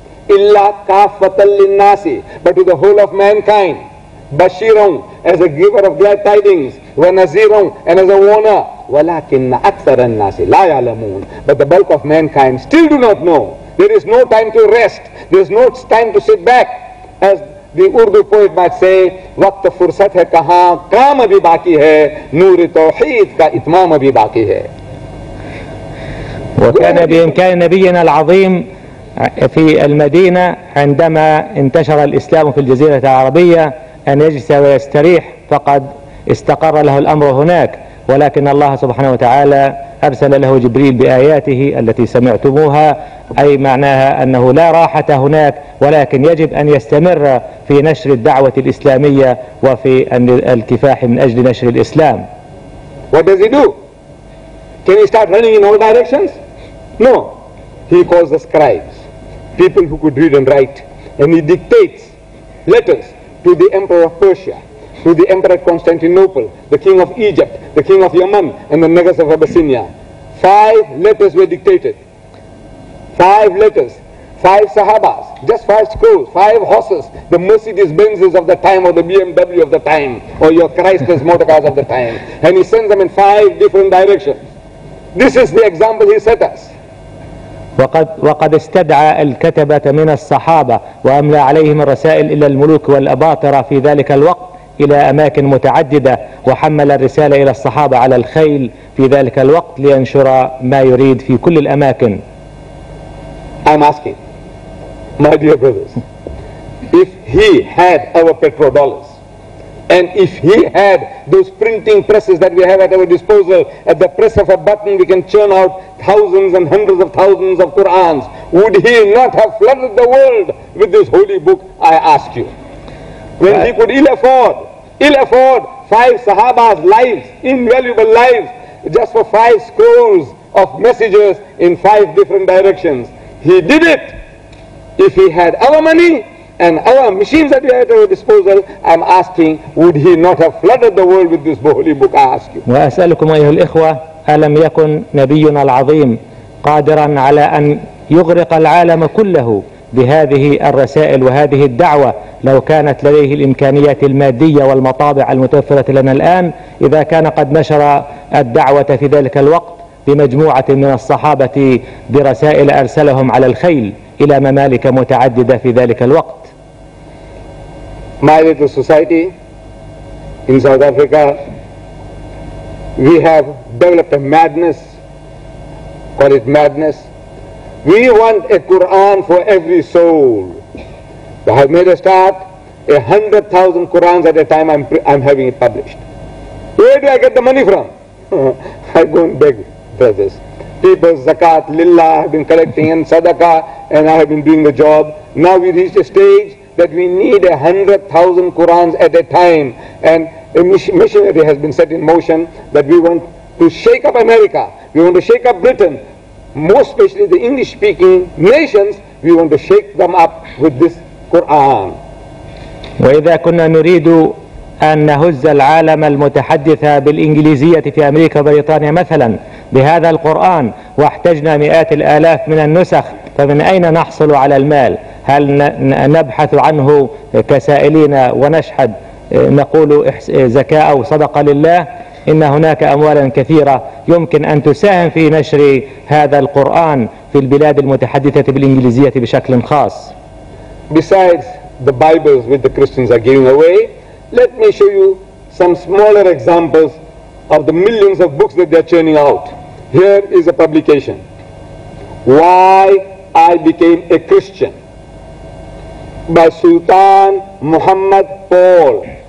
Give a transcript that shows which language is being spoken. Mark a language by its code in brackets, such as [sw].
[ar] إلا كافة للناس [en] but to the whole of mankind [ar] بشيرون [en] as a giver of glad tidings [ar] ونزيرون [en] and as a warner [ar] ولكن أكثر الناس لا يعلمون [en] but the bulk of mankind still do not know there is no time to rest there is no time to sit back as the Urdu poet might say [ur] وقت فرصت ہے کہاں کام ابھی باقی ہے [en] نور توحید کا اتمام ابھی باقی ہے [ar] وكان بإمكان نبينا العظيم في المدينة عندما انتشر الإسلام في الجزيرة العربية أن يجلس ويستريح فقد استقر له الأمر هناك ولكن الله سبحانه وتعالى أرسل له جبريل بآياته التي سمعتموها أي معناها أنه لا راحة هناك ولكن يجب أن يستمر في نشر الدعوة الإسلامية وفي الكفاح من أجل نشر الإسلام. [en] What does he do? Can he start running in all directions? No. He calls the scribes, people who could read and write, and he dictates letters to the Emperor of Persia, to the Emperor of Constantinople, the King of Egypt, the King of Yemen, and the Negus of Abyssinia. Five letters were dictated. Five letters, five Sahabas, just five scrolls, five horses, the Mercedes Benzes of the time, or the BMW of the time, or your Chrysler's motor cars of the time, and he sends them in five different directions. This is the example he set us. [ar] وقد استدعى الكتبة من الصحابة وأملى عليهم الرسائل إلى الملوك والأباطرة في ذلك الوقت إلى أماكن متعددة وحمل الرسالة إلى الصحابة على الخيل في ذلك الوقت لينشر ما يريد في كل الأماكن. [en] I'm asking, my dear brothers, if he had our petrodollars and if he had those printing presses that we have at our disposal, at the press of a button we can churn out thousands and hundreds of thousands of Qurans, would he not have flooded the world with this holy book, I ask you? When he could ill afford five Sahabas' lives, invaluable lives, just for five scrolls of messages in five different directions. He did it. If he had our money, and our machines that we had at our disposal, I'm asking, would he not have flooded the world with this holy book, I ask you. [ar] وأسألكم أيها الإخوة, ألم يكن نبينا العظيم قادرا على أن يغرق العالم كله بهذه الرسائل وهذه الدعوة لو كانت لديه الإمكانيات المادية والمطابع المتوفرة لنا الآن إذا كان قد نشر الدعوة في ذلك الوقت بمجموعة من الصحابة برسائل أرسلهم على الخيل إلى ممالك متعددة في ذلك الوقت. [en] My little society in South Africa, we have developed a madness, call it madness. We want a Quran for every soul. I have made a start, 100,000 Qurans at a time I'm having it published. Where do I get the money from? I go and beg brothers. People's zakat, lillah, I've been collecting and sadaqah, and I have been doing the job. Now we reached a stage that we need 100,000 Qurans at a time. And a missionary has been set in motion that we want to shake up America. We want to shake up Britain. Most especially the English-speaking nations, we want to shake them up with this Quran. [ar] وإذا كنا نريد أن نهز العالم المتحدث بالإنجليزية في أمريكا وبريطانيا مثلا بهذا القرآن واحتجنا مئات الآلاف من النسخ فمن أين نحصل على المال؟ هل نبحث عنه كسائلين ونشحد نقول زكاة أو صدقة لله؟ إن هناك أموالا كثيرة يمكن أن تساهم في نشر هذا القرآن في البلاد المتحدثة بالإنجليزية بشكل خاص. [en] Besides the Bibles which the Christians are giving away, let me show you some smaller examples of the millions of books that they are churning out. Here is a publication. Why I became a Christian by Sultan Muhammad Paul.